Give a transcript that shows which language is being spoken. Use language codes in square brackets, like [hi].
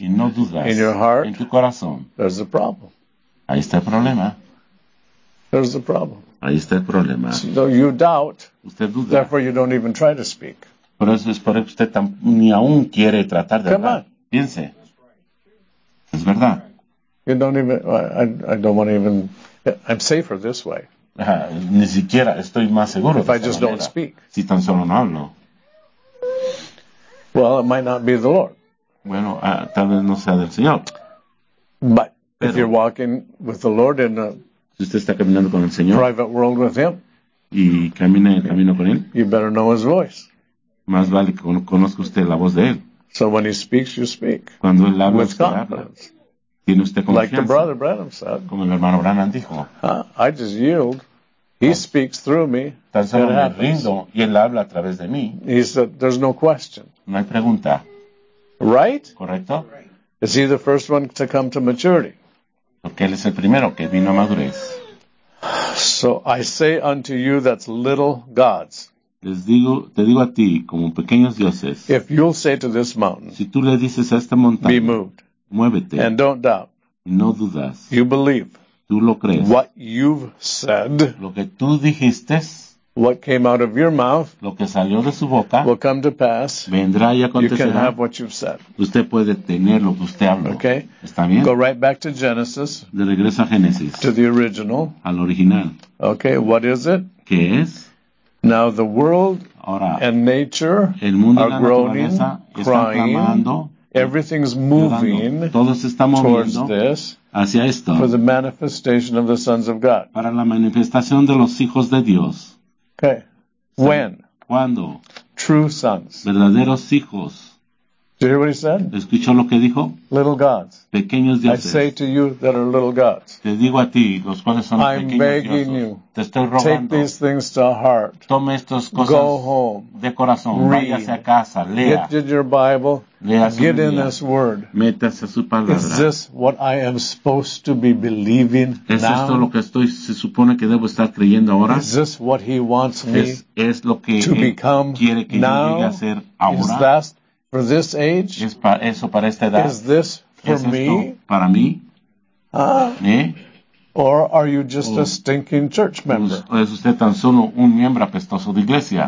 [es] y no dudas, [en] in your heart, [es] en tu corazón, [en] there's a problem. [es] Ahí está el problema. [en] There's the problem. [es] Ahí está el problema. [en] So you doubt, [es] usted duda. [en] Therefore you don't even try to speak. [es] Por eso es por eso que usted ni aún quiere tratar de [en] Come [es] hablar. [en] On. [es] Piense. Es verdad. [en] You don't even, I don't want to even, I'm safer this way. [es] Ni siquiera estoy más seguro. [en] If I just [es] manera. [en] Don't speak. [es] Si tan solo no hablo. [en] Well, it might not be the Lord. [es] Bueno, tal vez no sea del Señor. [en] But if you're walking with the Lord in a [es] si usted está caminando con el Señor, [en] private world with him, [es] y camina en el camino con él, [en] you better know his voice. [es] Más vale que conozca usted la voz de él. [en] So when he speaks, you speak. [es] Cuando él habla, [en] with [es] usted [en] confidence. [es] Habla. Tiene usted confianza. [en] Like the brother Branham said. [es] Como el hermano Branham dijo. [en] I just yield. He speaks through me. [es] Tan solo me rindo y él habla a través de mí. [en] He said, there's no question. [es] No hay pregunta. [en] Right? [es] Correcto. [en] Is he the first one to come to maturity? [es] Porque él es el primero que vino a madurez. [en] So I say unto you that's little gods. [es] Les digo, te digo a ti, como pequeños dioses. [en] If you'll say to this mountain, [es] si tú le dices a esta montaña, [en] be moved, [es] muévete, [en] and don't doubt, [es] y no dudas, [en] you believe, [es] tú lo crees, [en] what you've said, [es] lo que tú dijiste, [en] what came out of your mouth, [es] lo que salió de su boca, [en] will come to pass, [es] vendrá y acontecerá. [en] You can have what you've said. [es] Usted puede tener lo que usted habló. [en] Okay. [es] ¿Está bien? [en] Go right back to Genesis. [es] De regreso a Génesis. [en] To the original. [es] Al original. [en] Okay, what is it? [es] ¿Qué es? [en] Now the world [es] ahora, [en] and nature [es] el mundo [en] are groaning, crying, [es] clamando, [en] everything's moving [es] todos están moviendo [en] towards this [es] hacia esto, [en] for the manifestation of the sons of God. [es] Para la manifestación de los hijos de Dios. [en] Okay. When? [es] ¿Cuándo? [en] True sons. [es] Verdaderos hijos. [en] Did you hear what he said? [es] ¿Escuchó lo que dijo? [en] Little gods. [es] Pequeños dioses. [en] I say to you that are little gods. [es] Te digo a ti, los cuales son [en] I'm [es] pequeños dioses. [en] I'm begging you. [es] Te estoy rogando. [en] Take these things to heart. [es] Tome estas cosas. [en] Go home. [es] De corazón. [en] Read. [es] Váyase a casa. Lea. [en] Get in your Bible. [es] Lea [en] su Get in this word. [es] Métase su palabra. [en] Is this what I am supposed to be believing [es] ¿Es [en] now? [es] ¿Es esto lo que estoy, se supone que debo estar creyendo ahora? [en] Is this what he wants me [es] es lo que [en] to become [es] quiere que [en] now? [es] Yo llegue a ser ahora? [en] Is that for this age? [es] ¿Es para eso para esta edad? [en] Is this for [es] ¿Es esto [en] me? [es] Para mí? [en] Or are you just a stinking church member? [es] ¿O es usted tan solo un miembro apestoso de iglesia?